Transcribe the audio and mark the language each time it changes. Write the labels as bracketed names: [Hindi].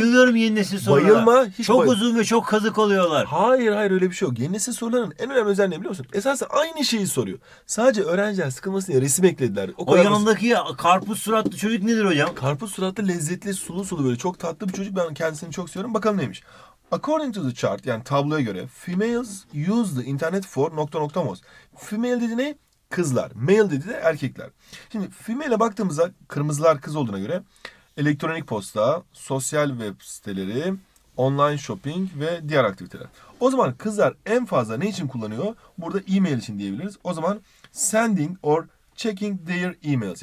[Turkish] Bayılıyorum yeni nesil sorulara. Bayılma. Hiç çok uzun ve çok kazık oluyorlar. Hayır öyle bir şey yok. Yeni nesil soruların en önemli özelliği biliyor musun? Esasen aynı şeyi soruyor. Sadece öğrenciler sıkılmasın diye resim eklediler. O yandaki karpuz suratlı çocuk nedir hocam? Karpuz suratlı lezzetli sulu sulu böyle çok tatlı bir çocuk. Ben kendisini çok seviyorum. Bakalım neymiş. [English] According to the chart [Turkish] yani tabloya göre [English] females use the internet for [Turkish] nokta nokta [English] most. [Turkish] Female dedi ne? Kızlar. Male dedi de erkekler. Şimdi female'e baktığımızda kırmızılar kız olduğuna göre elektronik posta, sosyal web siteleri, online shopping ve diğer aktiviteler. O zaman kızlar en fazla ne için kullanıyor? Burada e-mail için diyebiliriz. O zaman [English] sending or checking their emails.